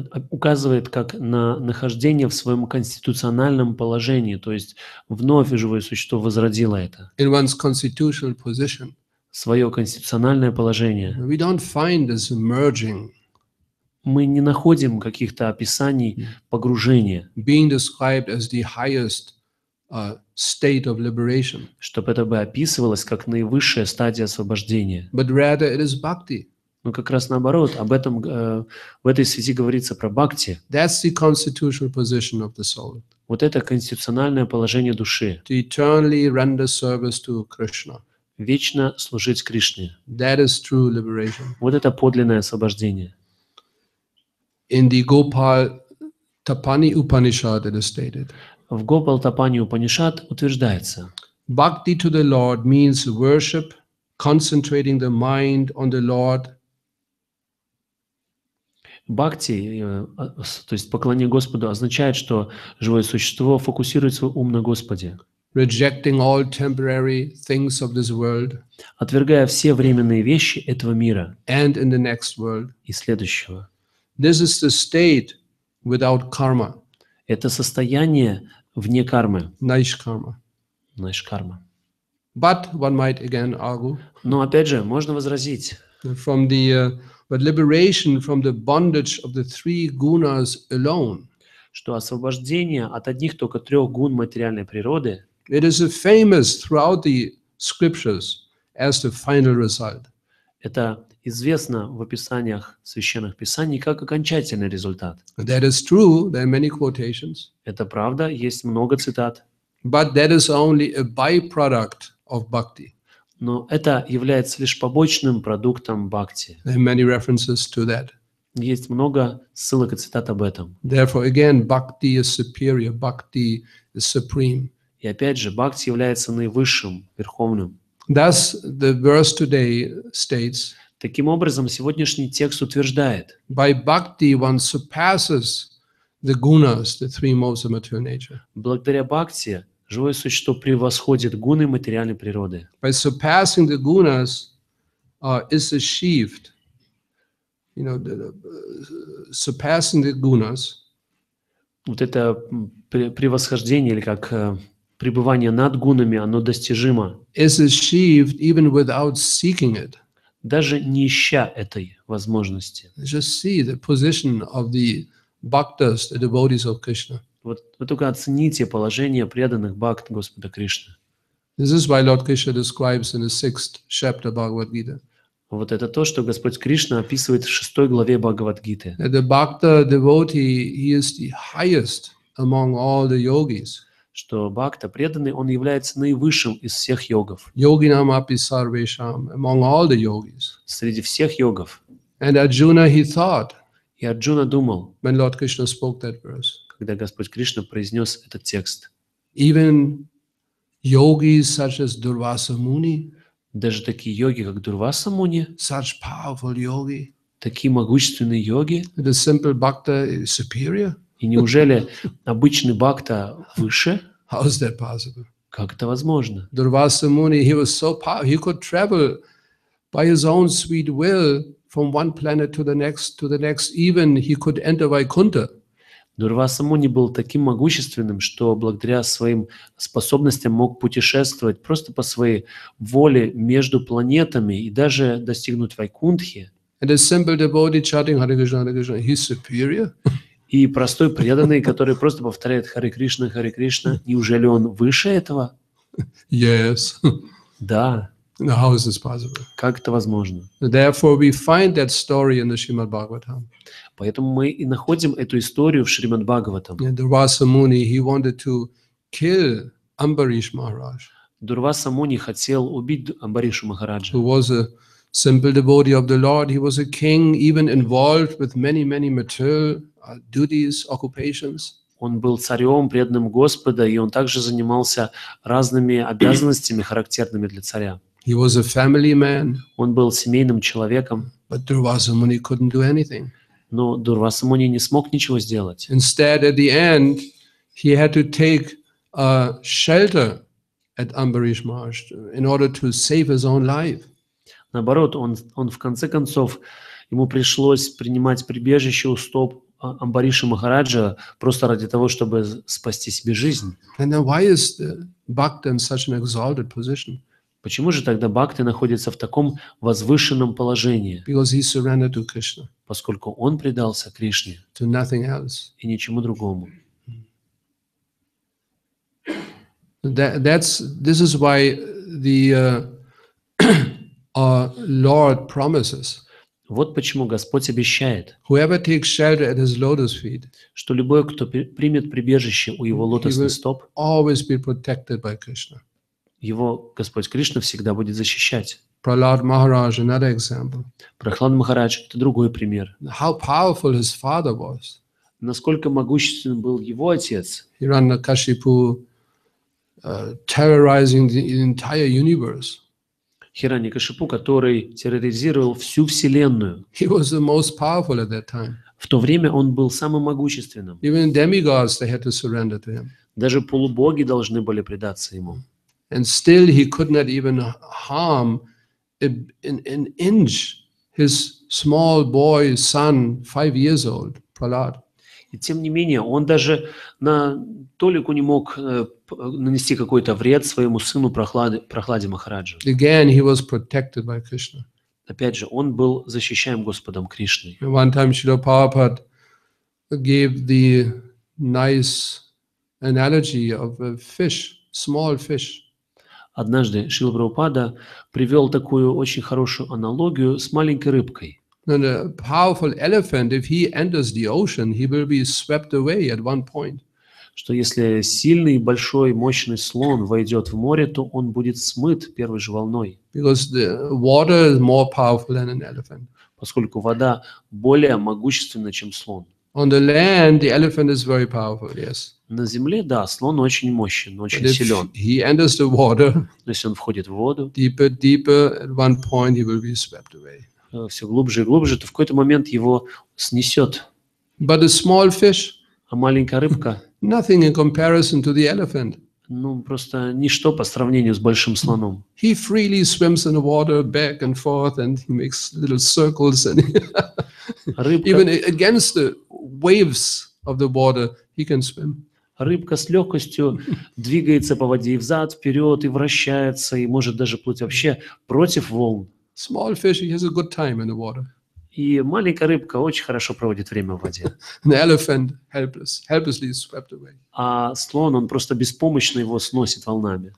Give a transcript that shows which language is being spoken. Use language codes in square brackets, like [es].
[ru] Указывает как на нахождение в своем конституциональном положении, то есть вновь живое существо возродило это. [en] In one's constitutional position. [ru] Свое конституциональное положение. [en] We don't find this emerging. [ru] Мы не находим каких-то описаний погружения. [en] Being described as the highest state of liberation. [ru] Чтобы это бы описывалось как наивысшая стадия освобождения. [en] But rather it is bhakti. [ru] Но как раз наоборот, об этом в этой связи говорится про бхакти. [en] That's the constitutional position of the soul. [ru] Вот это конституциональное положение души. [en] To eternally render service to Krishna. [ru] Вечно служить Кришне. [en] That is true liberation. [ru] Вот это подлинное освобождение. [en] In the Gopal Tapani Upanishad it is stated. [ru] В Гопал-тапани Упанишад утверждается. [en] Bhakti to the Lord means worship, concentrating the mind on the Lord. [ru] Бхакти, то есть поклонение Господу, означает, что живое существо фокусирует свой ум на Господе. [en] Rejecting all temporary things of this world. [ru] Отвергая все временные вещи этого мира. [en] And in the next world. [ru] И следующего. [en] This is the state without karma. [ru] Это состояние вне кармы. [sa] Найшкарма. Найшкарма. [en] But one might again argue. [ru] Но опять же, можно возразить. [en] From the but liberation from the bondage of the three gunas alone. [ru] Что освобождение от одних только трех гун материальной природы. [en] It is famous throughout the scriptures as the final result. [ru] Это известно в описаниях священных писаний как окончательный результат. [en] That is true. There are many quotations. [ru] Это правда, есть много цитат. [en] But that is only a byproduct of bhakti. [ru] Но это является лишь побочным продуктом бхакти. [en] There are many references to that. [ru] Есть много ссылок и цитат об этом. [en] Therefore, again, bhakti is superior. Bhakti is supreme. [ru] И опять же, бхакти является наивысшим, верховным. [en] Thus, the verse today states. [ru] Таким образом, сегодняшний текст утверждает. [en] By bhakti one surpasses the gunas, the three modes of material nature. [ru] Благодаря бхакти живое существо превосходит гуны материальной природы. [en] By surpassing the gunas is achieved. You know, surpassing the gunas. [ru] Вот это превосхождение или как пребывание над гунами, оно достижимо. [en] Is achieved even without seeking it. [ru] Даже не ища этой возможности. [en] Just see the position of the bhaktas, the devotees of Krishna. [ru] Вот вы только оцените положение преданных бхакт Господа Кришны. [en] This is why Lord Krishna describes in the sixth chapter of Bhagavad Gita. [ru] Вот это то, что Господь Кришна описывает в 6 главе Бхагавад-гиты. [en] The bhakta devotee, he is the highest among all the yogis. [ru] Что бхакта, преданный, он является наивысшим из всех йогов. [sa] Yoginam api sarvesham, [en] among all the yogis. [ru] Среди всех йогов. [en] And Arjuna, he thought. [ru] И Арджуна думал. [en] When Lord Krishna spoke that verse. [ru] Когда Господь Кришна произнес этот текст. [en] Even yogis such as Durvasa Muni. [ru] Даже такие йоги, как Дурваса Муни, [en] such powerful yogi, [ru] такие могущественные йоги, [en] the simple bhakta is superior? [ru] И неужели обычный бхакта выше? [en] How is that possible? [ru] Как это возможно? [en] Дурваса Муни, he was so powerful, he could travel by his own sweet will from one planet to the next, even he could enter Vaikuntha. [ru] Дурваса Муни был таким могущественным, что благодаря своим способностям мог путешествовать просто по своей воле между планетами и даже достигнуть Вайкунтхи. [en] And a simple devotee chanting Hare Krishna, Hare Krishna, he's superior. [ru] И простой преданный, который просто повторяет Харе Кришна, Харе Кришна, неужели он выше этого? [en] Yes. [ru] Да. [en] Now, how is this possible? [ru] Как это возможно? [en] Therefore, we find that story in the Shrimad Bhagavatam. [ru] Поэтому мы и находим эту историю в Шримад Бхагаватам. [en] Yeah, Дурваса Муни, he wanted to kill Амбариш Махарадж. [ru] Дурваса Муни хотел убить Амбаришу Махараджа. [en] Who was a simple devotee of the Lord? He was a king, even involved with many, many material duties, occupations. [ru] Он был царем, преданным Господа, и он также занимался разными обязанностями, характерными для царя. [en] He was a family man. [ru] Он был семейным человеком. [en] But Durvasa Muni couldn't do anything. [ru] Но Дурваса Муни не смог ничего сделать. [en] Instead, at the end, he had to take a shelter at Ambarish Marsh in order to save his own life. [ru] Наоборот, он в конце концов ему пришлось принимать прибежище у стоп Амбариша Махараджа просто ради того, чтобы спасти себе жизнь. [en] And then why is the bhakta in such an exalted position? [ru] Почему же тогда бхакта находится в таком возвышенном положении? [en] Because he surrendered to Krishna. [ru] Поскольку он предался Кришне. [en] To nothing else. [ru] И ничему другому. [en] This is why the Lord promises. [ru] Вот почему Господь обещает, [en] whoever takes shelter at his lotus feet, [ru] что любой, кто примет прибежище у его лотосных стоп, [en] always be protected by Krishna. [ru] Его Господь Кришна всегда будет защищать. [en] Prahlad Maharaj, another example. [ru] Prahlad Maharaj – это другой пример. [en] How powerful his father was. [ru] Насколько могущественным был его отец. [en] Hiranyakashipu, terrorizing the entire universe. [ru] Hiranyakashipu, который терроризировал всю Вселенную. [en] He was the most powerful at that time. [ru] В то время он был самым могущественным. [en] Even demigods, they had to surrender to him. [ru] Даже полубоги должны были предаться ему. [en] And still he could not even harm an inch his small boy son, 5 years old, Prahlad. [ru] И тем не менее, он даже на толику не мог нанести какой-то вред своему сыну Прахладе Махараджу. [en] Again, he was protected by Krishna. [ru] Опять же, он был защищаем Господом Кришной. [en] One time Srila Prabhupada gave the nice analogy of a fish, small fish. [ru] Однажды Шрила Прабхупада привел такую очень хорошую аналогию с маленькой рыбкой. [en] And a powerful elephant, if he enters the ocean, he will be swept away at one point. [ru] Что если сильный, большой, мощный слон войдет в море, то он будет смыт первой же волной. [en] Because the water is more powerful than an elephant. [ru] Поскольку вода более могущественна, чем слон. [en] On the land, the elephant is very powerful, yes. [ru] На земле, да, слон очень мощен, очень силен. [en] He enters the water, [ru] но если он входит в воду, [en] deeper, deeper, at one point he will be swept away. [ru] Все глубже и глубже, то в какой-то момент его снесет. [en] But a small fish, [ru] а маленькая рыбка, [en] nothing in comparison to the elephant. [ru] Ну, просто ничто по сравнению с большим слоном. [en] He freely swims in the water back and forth, and he makes little circles, and even against the waves of the water, he can swim. [ru] Рыбка с легкостью двигается по воде и взад, вперед, и вращается, и может даже плыть вообще против волн. [en] Small fish, he has a good time in the water. [ru] И маленькая рыбка очень хорошо проводит время в воде. [en] An elephant, helpless, helplessly swept away. [ru] А слон, он просто беспомощно его сносит волнами.